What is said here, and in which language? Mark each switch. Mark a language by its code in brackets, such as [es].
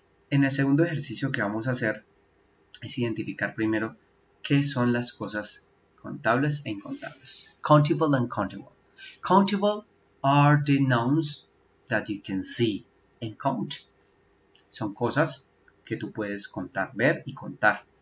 [es] En el segundo ejercicio que vamos a hacer es identificar primero qué son las cosas contables e incontables. [en] Countable and countable. Countable are the nouns that you can see and count. [es] Son cosas que tú puedes contar, ver y contar.